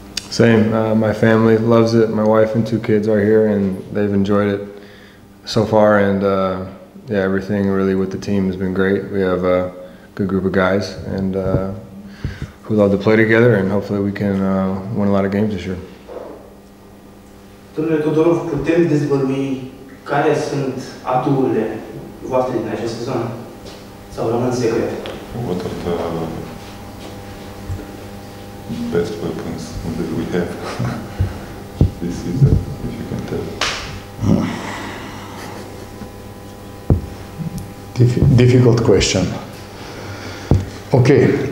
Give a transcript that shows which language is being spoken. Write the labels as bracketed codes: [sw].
[en] Same. My family loves it. My wife and two kids are here, and they've enjoyed it so far. And yeah, everything really with the team has been great. We have a good group of guys, and who love to play together. And hopefully, we can win a lot of games this year. [ro] Domnule Todorov, putem dezvălui care sunt atuurile voastre din această zonă? Sau rămân secret? [en] What are the best weapons that we have this season, if you can tell? Difficult question. Okay.